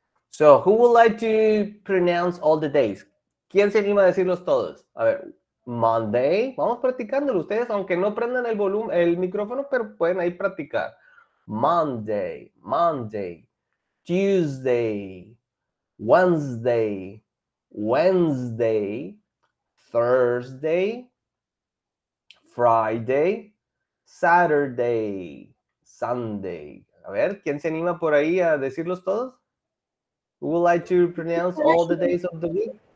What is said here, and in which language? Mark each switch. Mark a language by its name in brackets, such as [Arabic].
[English] So who would like to pronounce all the days? [Spanish] ¿Quién se anima a decirlos todos? A ver, Monday. Vamos practicándolo ustedes, aunque no prendan el volumen, el micrófono, pero pueden ahí practicar. [English] Monday, Monday, Tuesday, Wednesday, Wednesday, Thursday, Friday, Saturday, Sunday. [Spanish] A ver, ¿quién se anima por ahí a decirlos todos? [English] Who would like to pronounce all the days of the week?